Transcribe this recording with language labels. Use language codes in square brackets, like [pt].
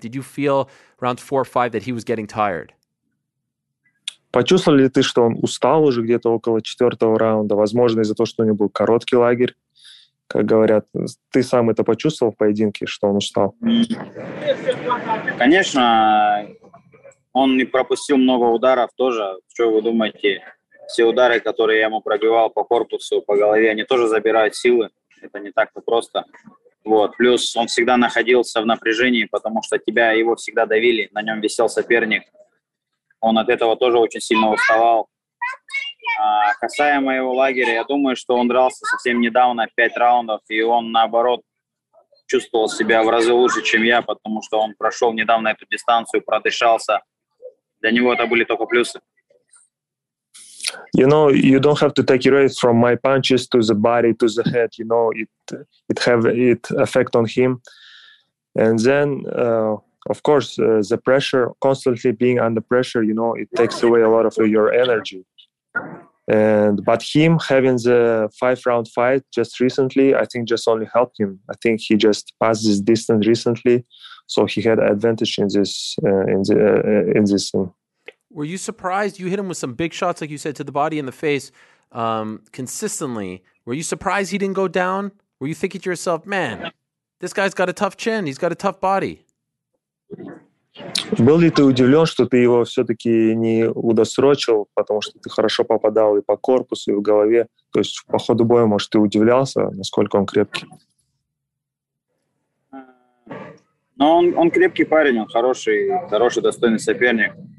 [en] Did you feel round 4 or 5 that he was getting tired? [ru] Почувствовал ли ты, что он устал уже где-то около четвертого раунда? Возможно, из-за того, что у него был короткий лагерь. Как говорят, ты сам это почувствовал в поединке, что он устал? Конечно, он не пропустил много ударов тоже. Что вы думаете? Все удары, которые я ему пробивал по корпусу, по голове, они тоже забирают силы. Это не так-то просто. Вот. Плюс он всегда находился в напряжении, потому что тебя его всегда давили, на нем висел соперник. Он от этого тоже очень сильно уставал. А касаемо его лагеря, я думаю, что он дрался совсем недавно, 5 раундов, и он, наоборот, чувствовал себя в разы лучше, чем я, потому что он прошел недавно эту дистанцию, продышался. Для него это были только плюсы. [en] You know, you don't have to take it away from my punches to the body, to the head, you know, it have it effect on him. And then, of course, the pressure, constantly being under pressure, you know, it takes away a lot of your energy. And but him having the 5-round fight just recently, I think just only helped him. I think he just passed this distance recently, so he had an advantage in this thing. Were you surprised? You hit him with some big shots, like you said, to the body and the face, consistently. Were you surprised he didn't go down? Were you thinking to yourself, man, this guy's got a tough chin. He's got a tough body. [ru] Был ли ты удивлен, что ты его все-таки не удосрочил, потому что ты хорошо попадал и по корпусу, и в голове? То есть по ходу боя, может, ты удивлялся, насколько он крепкий? Ну, он крепкий парень, он хороший, достойный соперник.